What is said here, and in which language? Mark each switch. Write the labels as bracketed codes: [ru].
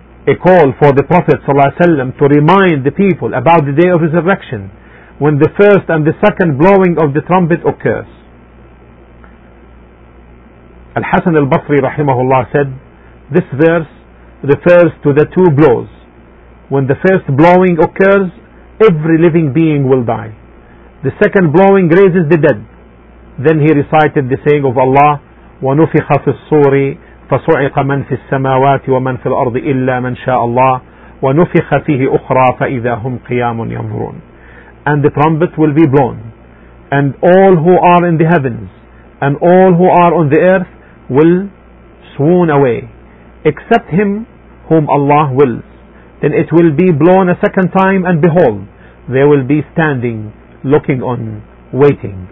[en] A call for the Prophet ﷺ to remind the people about the day of resurrection, when the first and the second blowing of the trumpet occurs. Al-Hasan al-Basri rahimahullah said, this verse refers to the two blows. When the first blowing occurs, every living being will die. The second blowing raises the dead. Then he recited the saying of Allah, [ar] وَنُفِخَ فِي الصُّورِ فَصُعِقَ مَنْ فِي السَّمَاوَاتِ وَمَنْ فِي الْأَرْضِ إِلَّا مَنْ شَاءَ اللَّهِ وَنُفِخَ فِيهِ أُخْرَى فَإِذَا هُمْ قِيَامٌ يَنْظُرُونَ. [en] And the trumpet will be blown, and all who are in the heavens and all who are on the earth will swoon away, except him whom Allah wills. Then it will be blown a second time, and behold, they will be standing, looking on, waiting.